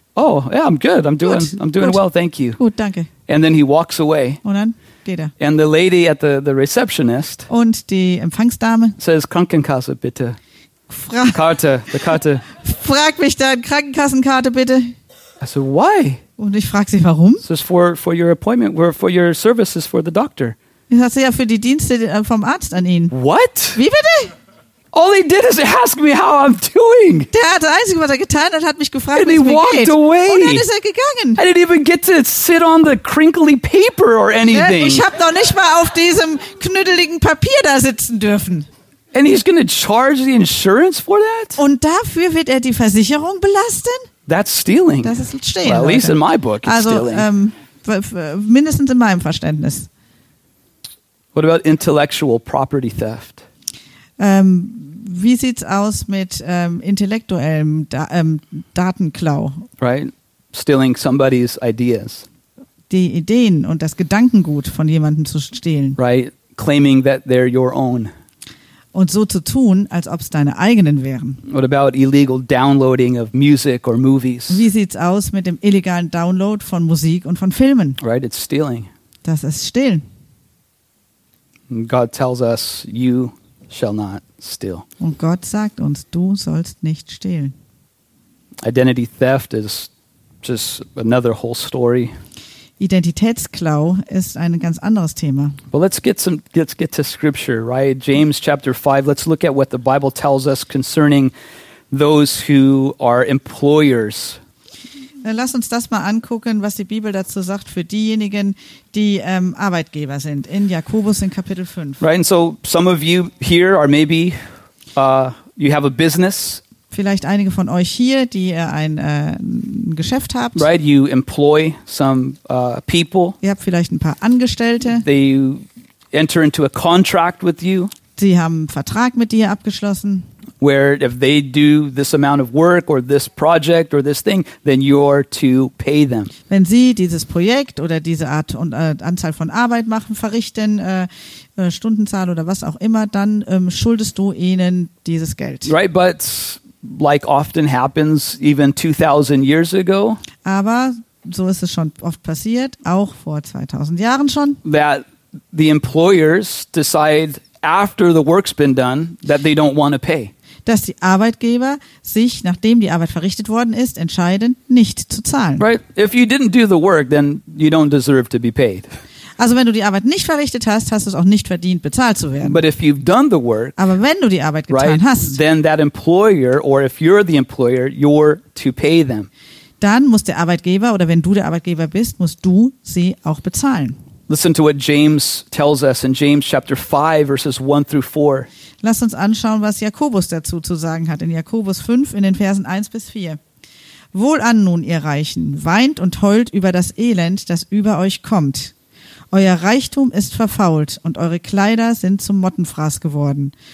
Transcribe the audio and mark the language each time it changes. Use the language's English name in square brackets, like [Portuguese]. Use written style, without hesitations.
[English] Oh, yeah, I'm good. I'm doing well, thank you. [German] Gut, danke. [English] And then he walks away. [German] Und dann geht er. [English] And the lady at the receptionist [German] und die Empfangsdame says, Krankenkasse bitte. Karte. Frag mich dann, Krankenkassenkarte bitte. [English] I said, why? [German] Und ich frage sie, warum? [English] So it's for your appointment, for your services for the doctor. [German] Ich sagte, ja, für die Dienste vom Arzt an ihn. [English] What? [German] Wie bitte? [English] All he did is ask me how I'm doing. [German] Der hat das Einzige, was er getan hat, hat mich gefragt, wie es mir geht. [English] And he walked away. [German] Und dann ist er gegangen. [English] I didn't even get to sit on the crinkly paper or anything. [German] Ich habe noch nicht mal auf diesem knütteligen Papier da sitzen dürfen. [English] And he's going to charge the insurance for that? [German] Und dafür wird er die Versicherung belasten? [English] That's stealing. [German] Das ist stehlen. [English] Well, at least in my book, [German] also, [English] it's stealing. [German] Also mindestens in meinem Verständnis. [English] What about intellectual property theft? [German] wie sieht's aus mit intellektuellem Datenklau? [English] Right, stealing somebody's ideas. [German] Die Ideen und das Gedankengut von jemandem zu stehlen. [English] Right, claiming that they're your own. [German] Und so zu tun, als ob es deine eigenen wären. [English] What about illegal downloading of music or movies? [German] Wie sieht's aus mit dem illegalen Download von Musik und von Filmen? [English] Right, it's stealing. [German] Das ist stehlen. [English] God tells us, you shall not steal. [German] Und Gott sagt uns, du sollst nicht stehlen. [English] Identity theft is just another whole story. [German] Identitätsklau ist ein ganz anderes Thema. [English] But let's get to scripture, right? James chapter 5. Let's look at what the Bible tells us concerning those who are employers. [German] Lass uns das mal angucken, was die Bibel dazu sagt für diejenigen, die Arbeitgeber sind. In Jakobus in Kapitel 5. [English] Right, and so some of you here are maybe you have a business. [German] Vielleicht einige von euch hier, die ein Geschäft habt. [English] Right, you employ some people. [German] Ihr habt vielleicht ein paar Angestellte. [English] They enter into a contract with you. [German] Sie haben einen Vertrag mit dir abgeschlossen. [English] Where if they do this amount of work or this project or this thing, then you're to pay them. [German] Wenn sie dieses Projekt oder diese Art und Anzahl von Arbeit machen, verrichten, Stundenzahl oder was auch immer, dann schuldest du ihnen dieses Geld. [English] Right, but like often happens even 2000 years ago. [German] Aber so ist es schon oft passiert, auch vor 2000 Jahren schon. [English] That the employers decide after the work's been done that they don't want to pay. [German] Dass die Arbeitgeber sich, nachdem die Arbeit verrichtet worden ist, entscheiden, nicht zu zahlen. [English] Right? If you didn't do the work, then you don't deserve to be paid. [German] Also wenn du die Arbeit nicht verrichtet hast, hast du es auch nicht verdient, bezahlt zu werden. [English] But if you've done the work, [German] aber wenn du die Arbeit getan [English] right, [German] hast, [English] then that employer, or if you're the employer, you're to pay them. [German] Dann muss der Arbeitgeber, oder wenn du der Arbeitgeber bist, musst du sie auch bezahlen. [English] Listen to what James tells us in James chapter 5, verses 1 through 4. [German] Lass uns anschauen, was Jakobus dazu zu sagen hat. In Jakobus 5, in den Versen 1 bis 4. Wohlan nun, ihr Reichen, weint und heult über das Elend, das über euch kommt. Euer Reichtum ist verfault und eure Kleider sind zum Mottenfraß geworden.